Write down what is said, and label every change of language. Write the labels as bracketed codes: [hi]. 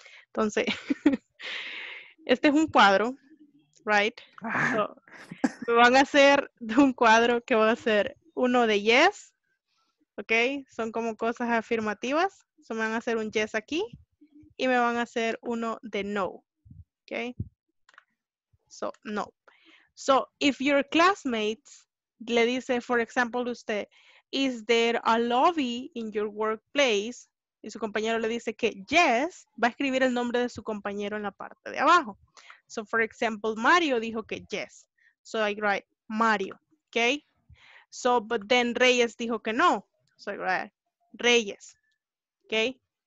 [es] Entonces, este es un cuadro, right? So, me van a hacer de un cuadro que va a ser uno de yes, ok? Son como cosas afirmativas, so, me van a hacer un yes aquí y me van a hacer uno de no, ok? So, no. [en] So, if your classmates [es] le dice, [en] for example, [es] usted, [en] is there a lobby in your workplace? [es] Y su compañero le dice que yes, va a escribir el nombre de su compañero en la parte de abajo. [en] So, for example, Mario [es] dijo que [en] yes. So, I write Mario, okay? So, but then Reyes [es] dijo que [en] no. So, I write Reyes, okay?